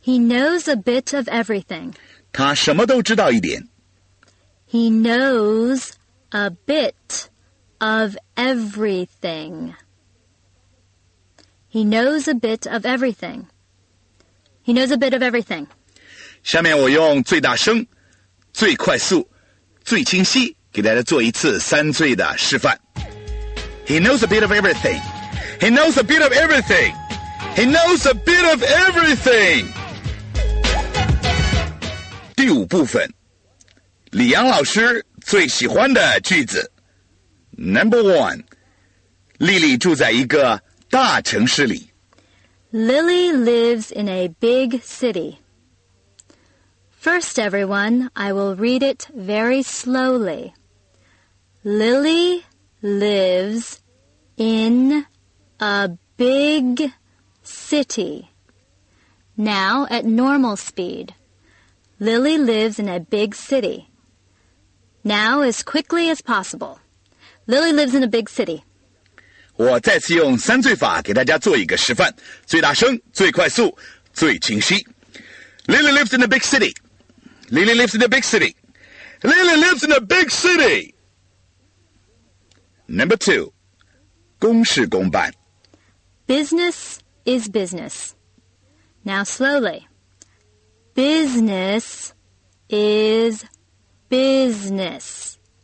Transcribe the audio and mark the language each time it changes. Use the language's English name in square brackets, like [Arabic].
[English] He knows a bit of everything. [Chinese] 他什么都知道一点。 [English] He knows a bit of everything. He knows a bit of everything. He knows a bit of everything. [Chinese] 下面我用最大声、最快速、最清晰给大家做一次三最的示范。 [English] He knows a bit of everything. He knows a bit of everything. He knows a bit of everything. [Chinese] 第五部分，李阳老师最喜欢的句子。 [English] Number one, [Chinese] Lily 住在一个大城市里。 [English] Lily lives in a big city. First, everyone, I will read it very slowly. Lily lives in a big city. Now at normal speed. Lily lives in a big city. Now as quickly as possible. Lily lives in a big city. [Chinese] 我再次用三最法给大家做一个示范，最大声、最快速、最清晰。 [English] Lily lives in a big city. Lily lives in a big city. Lily lives in a big city. Number two. [Chinese] 公事公办。 [English] Business is business. Now slowly. Business is business.